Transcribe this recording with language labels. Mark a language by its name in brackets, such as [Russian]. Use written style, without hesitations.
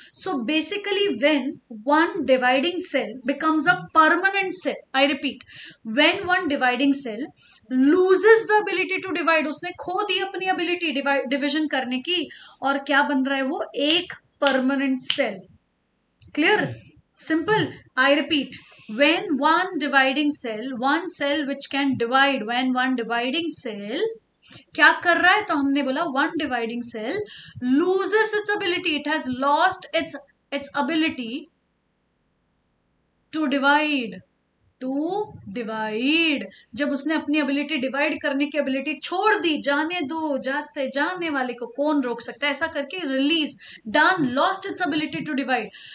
[English] so basically when one dividing cell becomes a permanent cell, I repeat, when one dividing cell loses the ability to divide, [Hindi] उसने खो दी अपनी ability division करने की, और क्या बन रहा है वो? [English] एक permanent cell. Clear, simple. I repeat, when one dividing cell, one cell which can divide, when one dividing cell [Hindi] क्या कर रहा है? तो हमने बोला [English] one dividing cell loses its ability, it has lost its it's ability to divide, to divide. [Hindi] जब उसने अपनी एबिलिटी डिवाइड करने की एबिलिटी छोड़ दी, जाने दो, जाते जाने वाले को कौन रोक सकता है, ऐसा करके release done, [English] Lost its ability to divide.